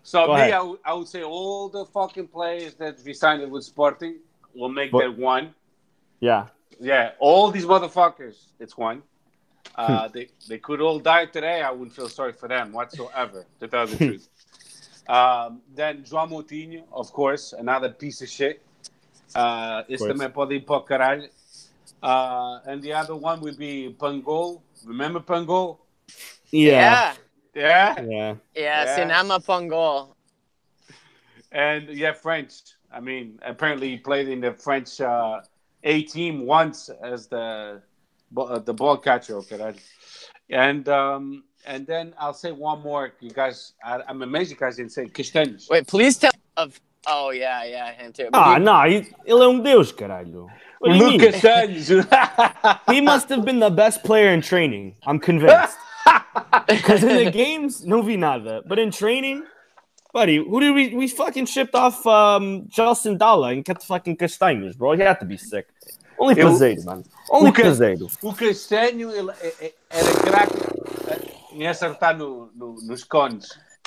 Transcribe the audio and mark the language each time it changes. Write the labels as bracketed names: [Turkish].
[English] So I would say all the fucking players that resigned with Sporting will make that one. Yeah. Yeah, all these motherfuckers, it's one. they could all die today. I wouldn't feel sorry for them whatsoever, to tell the truth. Then João Moutinho, of course, another piece of shit. [Portuguese] Este me pode ir para o caralho. [English] And the other one would be Pangol. Remember Pangol? Yeah. Cinema Pangol. And yeah, French. I mean, apparently he played in the French A team once as the ball catcher. Okay, and then I'll say one more. You guys, I'm amazed you guys didn't say Castanhos. Wait, please tell. Oh, yeah, him too. [Portuguese] Ah, no, ele é deus, caralho. [English] Lucas Sanz. He must have been the best player in training, I'm convinced. Because in the games, [Portuguese] não vi nada. [English] But in training, buddy, who did we fucking shipped off Justin Dalla and kept fucking Castanhos, bro. He had to be sick. Only Cazedo, man. Only Cazedo. [Portuguese] O Castanho, ele era craque em acertar nos cones.